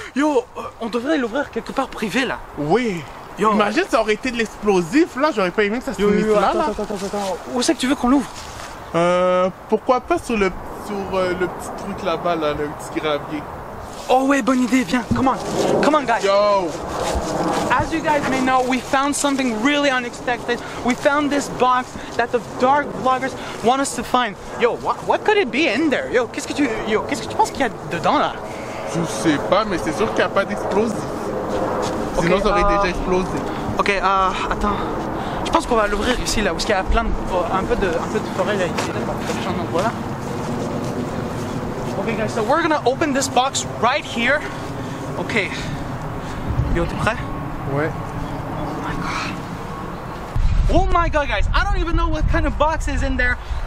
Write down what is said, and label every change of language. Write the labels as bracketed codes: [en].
[fr] Yo, on devrait l'ouvrir quelque part privé là! Oui! Yo. Imagine ça aurait été de l'explosif là, j'aurais pas aimé que ça se mette là! Attends, où c'est que tu veux qu'on l'ouvre? Pourquoi pas sur le petit truc là-bas là, le petit gravier? Oh ouais, bonne idée, viens, [en] come on, guys. Yo, As you guys may know, we found something really unexpected. We found this box that the dark vloggers want us to find. Yo, what could it be in there? [fr] Yo, qu'est-ce que tu penses qu'il y a dedans là? Je sais pas, mais c'est sûr qu'il n'y a pas d'explosif. Okay, sinon, ça aurait déjà explosé. Ok, attends. Je pense qu'on va l'ouvrir ici, là, où il y a plein de, un peu de forêt là, ici. Voilà. [en] Ok, guys, so we're gonna open this box right here. [fr] Ok. Yo, t'es prêt? Ouais. [en] Oh my god. Oh my god, guys, I don't even know what kind of box is in there.